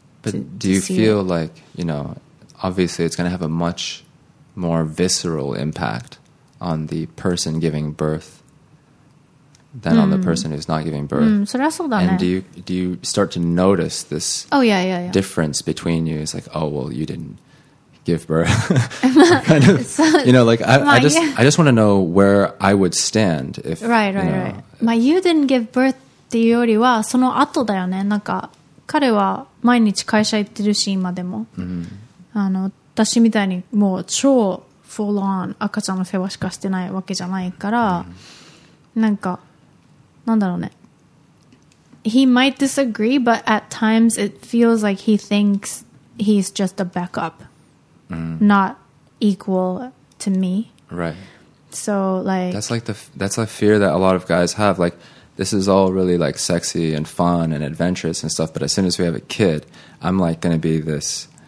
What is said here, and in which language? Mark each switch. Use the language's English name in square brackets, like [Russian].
[English] But do you feel like, you know, obviously it's going to have a much more visceral impact on the person giving birth than on the person who's not giving birth. [Japanese] それはそうだね。 [English] And do you start to notice this difference between you? It's like, oh, well, you didn't give birth. kind of, so, you know, like, I just want to know where I would stand if, right, right, you know, right. [Japanese] まあ、 [English] you didn't give birth [Japanese] っていうよりは、その後だよね。なんか、彼は毎日会社行ってるし、今でも。あの、私みたいにもう超 full on 赤ちゃんの世話しかしてないわけじゃないから、なんか、なんだろうね。 [English] He might disagree, but at times it feels like he thinks he's just a backup, not equal to me. Right. So like that's a fear that a lot of guys have. Like, this is all really like sexy and fun and adventurous and stuff. But as soon as we have a kid, I'm like going to be this